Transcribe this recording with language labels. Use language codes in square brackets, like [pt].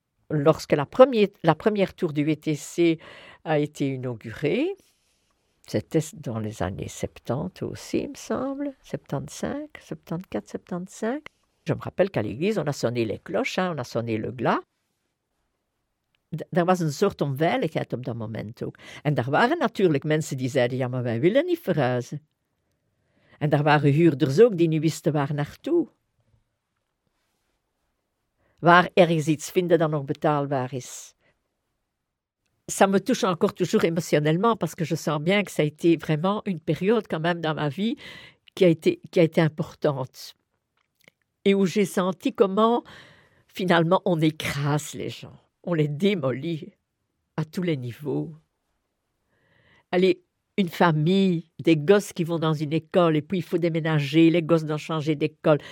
[fr] Lorsque la première tour du VTC a été inaugurée, c'était dans les années 70 aussi, il me semble, 75, 74, 75. Je me rappelle qu'à l'église, on a sonné les cloches, hein, on a sonné le glas. [nl] Er was een soort onveiligheid op dat moment ook. En er waren natuurlijk mensen die zeiden, ja, maar wij willen niet verhuizen. En er waren huurders ook die niet wisten waar naartoe. Waar ergens iets vinden dat nog betaalbaar is. [fr] Ça me touche encore toujours émotionnellement, parce que je sens bien que ça a été vraiment une période quand même dans ma vie qui a été importante. Et où j'ai senti comment, finalement, on écrase les gens. On les démolit à tous les niveaux. Allez, une famille, des gosses qui vont dans une école, et puis il faut déménager, les gosses doivent changer d'école.